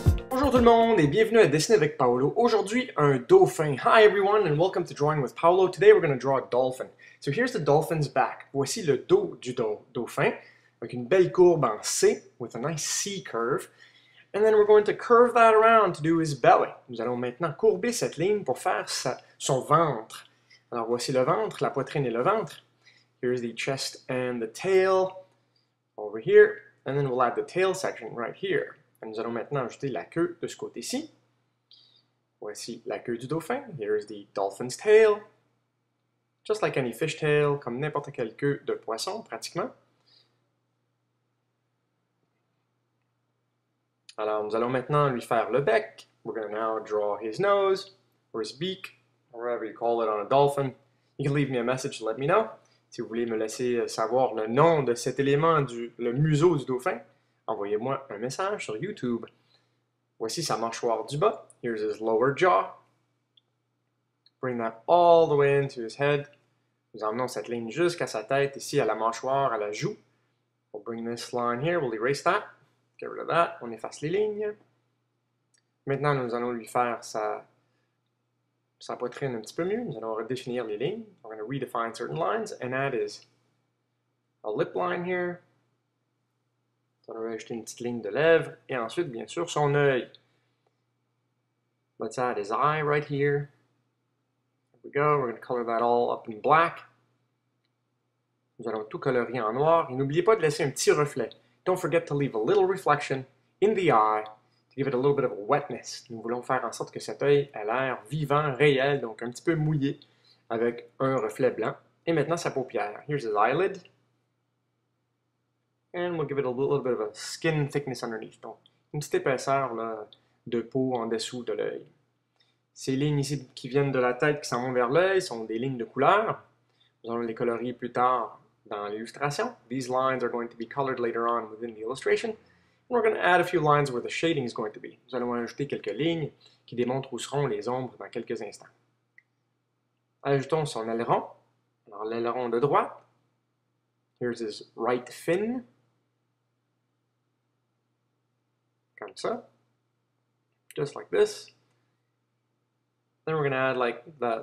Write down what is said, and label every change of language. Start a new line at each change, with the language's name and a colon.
French: Bonjour tout le monde et bienvenue à Dessiner avec Paolo. Aujourd'hui, un dauphin.
English: Hi everyone and welcome to Drawing with Paolo. Today we're going to draw a dolphin. So here's the dolphin's back.
French: Voici le dos du dauphin avec une belle courbe en C,
English: with a nice C curve. And then we're going to curve that around to do his belly.
French: Nous allons maintenant courber cette ligne pour faire son ventre. Alors voici le ventre, la poitrine et le ventre.
English: Here's the chest and the tail over here. And then we'll add the tail section right here.
French: Et nous allons maintenant ajouter la queue de ce côté-ci. Voici la queue du dauphin.
English: Here's the dolphin's tail. Just like any fish tail,
French: comme n'importe quelle queue de poisson, pratiquement. Alors, nous allons maintenant lui faire le bec.
English: We're going to now draw his nose, or his beak, or whatever you call it on a dolphin. You can leave me a message to let me know.
French: Si vous voulez me laisser savoir le nom de cet élément, le museau du dauphin, envoyez-moi un message sur YouTube. Voici sa mâchoire du bas.
English: Here's his lower jaw. Bring that all the way into his head.
French: Nous emmenons cette ligne jusqu'à sa tête, ici à la mâchoire, à la joue.
English: We'll bring this line here. We'll erase that. Get rid of that.
French: On efface les lignes. Maintenant, nous allons lui faire sa poitrine un petit peu mieux. Nous allons redéfinir les lignes.
English: We're going to redefine certain lines. And that is a lip line here.
French: On va ajouter une petite ligne de lèvres et ensuite, bien sûr, son œil.
English: Let's add his eye right here. There we go. We're going to color that all up in black.
French: Nous allons tout colorier en noir. Et n'oubliez pas de laisser un petit reflet.
English: Don't forget to leave a little reflection in the eye to give it a little bit of a wetness.
French: Nous voulons faire en sorte que cet œil ait l'air vivant, réel, donc un petit peu mouillé avec un reflet blanc. Et maintenant, sa paupière.
English: Here's his eyelid. And we'll give it a little bit of a skin thickness underneath.
French: Donc, une petite épaisseur là, de peau en dessous de l'œil. Ces lignes ici qui viennent de la tête qui s'en vont vers l'œil sont des lignes de couleur. Nous allons les colorier plus tard dans l'illustration.
English: These lines are going to be colored later on within the illustration. And we're going to add a few lines where the shading is going to be.
French: Nous allons ajouter quelques lignes qui démontrent où seront les ombres dans quelques instants. Ajoutons son aileron. Alors, l'aileron de droite.
English: Here's his right fin.
French: Comme ça.
English: Just like this. Then we're going to add like that.